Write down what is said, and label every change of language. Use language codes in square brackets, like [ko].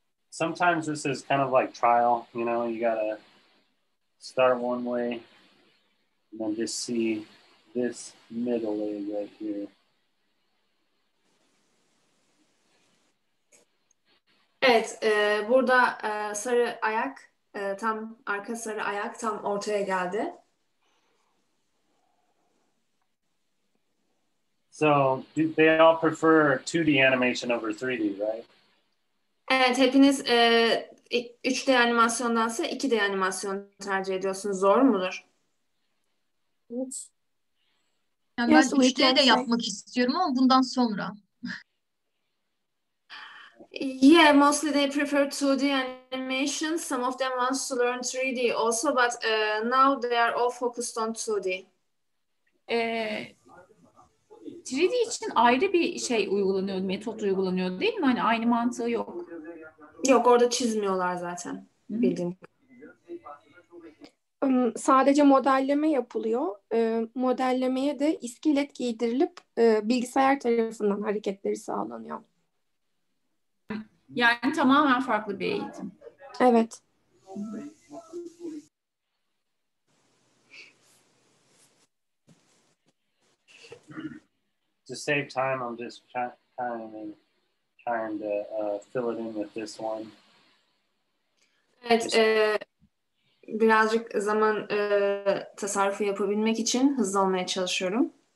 [en] Sometimes this is kind of like trial, you know, you gotta start one way and then just see this middle way right here. [tr] Evet, burada sarı ayak, tam arka sarı ayak tam ortaya geldi. [en] So, do they all prefer 2D animation over 3D, right? [tr] Evet, hepiniz 3D animasyondansa 2D animasyon tercih ediyorsunuz. Zor mudur? Evet. Yani ben 3D de yapmak istiyorum ama bundan sonra. [en] Yeah, mostly they prefer 2D animation. Some of them want to learn 3D also, but now they are all focused on 2D. [tr] 3D için ayrı bir şey uygulanıyor, metot uygulanıyor değil mi? Hani aynı mantığı yok. Yok, orada çizmiyorlar zaten. Hı-hı. Bildiğim. Sadece modelleme yapılıyor. Modellemeye de iskelet giydirilip bilgisayar tarafından hareketleri sağlanıyor. Yani tamamen farklı bir eğitim. Evet. [en] To save time, I'm just trying to fill it in with this one. [tr] Evet, birazcık zaman tasarrufu yapabilmek için hızlı olmaya çalışıyorum.